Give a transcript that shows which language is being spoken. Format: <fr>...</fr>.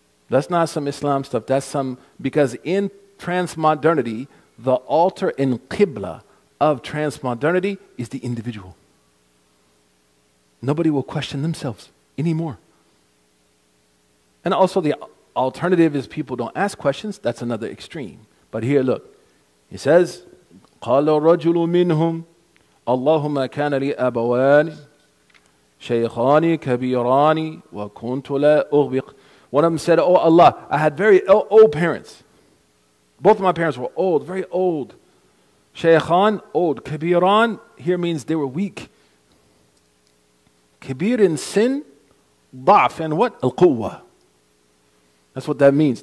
<en>That's not some Islam stuff. That's some, because in transmodernity, the altar and qibla of transmodernity is the individual. Nobody will question themselves anymore. And also the alternative is people don't ask questions. That's another extreme. But here, look. He says,</en> <ar>قَالَ رَجُلُ مِنْهُمْ اللهم كان لي أبوان شيخان كبيران وكنت لا أغبق.</ar> <en>One of them said, oh Allah, I had very old parents. Both of my parents were old, very old. Shaykhan, old. Kabiran here means they were weak. Kabir in sin,</en> <ar>ضعف,</ar> <en>and what? Al-Quwa. That's what that means.</en>